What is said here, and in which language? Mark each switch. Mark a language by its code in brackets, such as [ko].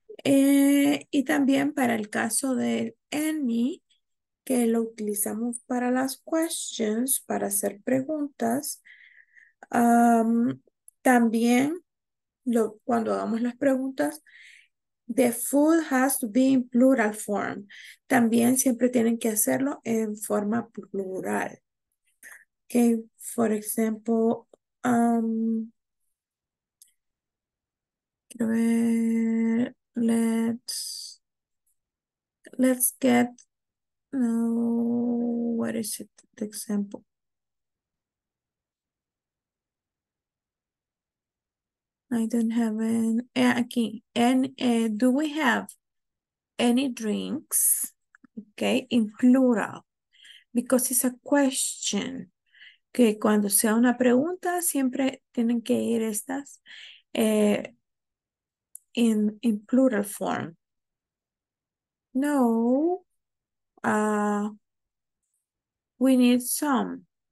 [es] Y también para el caso del any, que lo utilizamos para las questions, para hacer preguntas. También cuando hagamos las preguntas, [en] the food has to be in plural form. [es] También siempre tienen que hacerlo en forma plural. [en] Okay, for example, let's get, no, what is it, the example? I don't have do we have any drinks? Okay, in plural, because it's a question. [es] Que cuando sea una pregunta, siempre tienen que ir estas [en] in plural form. No, we need some.